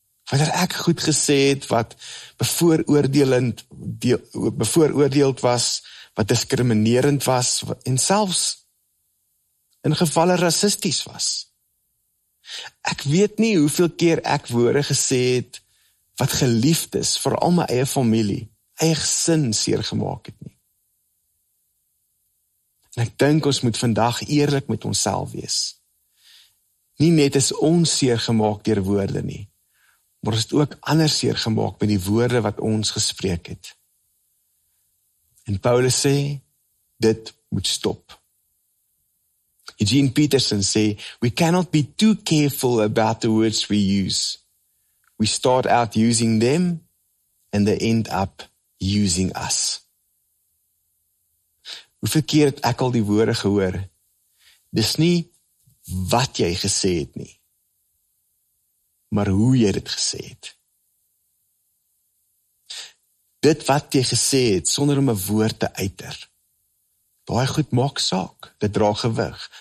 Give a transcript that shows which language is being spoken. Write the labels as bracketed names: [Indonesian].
[Afrikaans] Wanneer ek goed gesê het wat bevooroordeeld was, wat diskriminerend was en selfs in gevalle rassisties was. Ek weet nie hoeveel keer ek woorde gesê het wat geliefdes, veral my eie familie, eie gesin seer gemaak het nie. En ek dink ons moet vandag eerlik met onsself wees Nie net is ons seer gemaak deur woorde nie, maar ons het ook ander seer gemaak met die woorde wat ons gespreek het. En Paulus sê, dit moet stop. [English] Eugene Peterson [Afrikaans] sê, [English] we cannot be too careful about the words we use. We start out using them and they end up using us. [Afrikaans] Hoeveel keer het ek al die woorde gehoor? Dis nie wat jy gesê het nie, maar hoe jy dit gesê het. Dit wat jy gesê het, sonder om 'n woord te uiter. Daai goed maak saak, dit dra gewig.